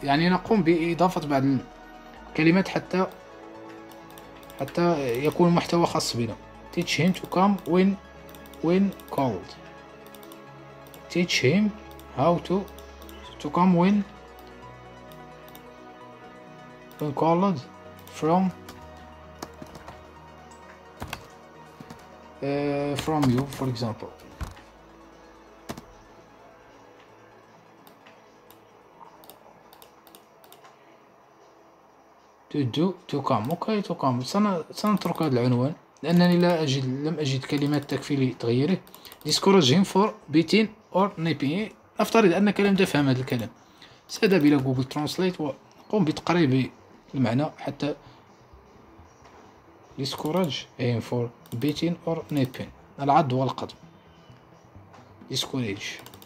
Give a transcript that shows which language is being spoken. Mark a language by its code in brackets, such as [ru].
[ar] يعني نقوم بإضافة بعض الكلمات حتى يكون محتوى خاص بنا. [en] teach him to come when called، teach him how to come when called from from you for example. to come. okay، to come. [ar] سنترك هذا العنوان لأنني لم أجد كلمات تكفي لتغييره. [en] discourage him for beating or napping. [ar] نفترض أنك لم تفهم هذا الكلام، سأذهب إلى جوجل ترانسليت وقم بتقريب المعنى حتى [en] discourage him for beating or napping، [ar] العد والقدم، discourage.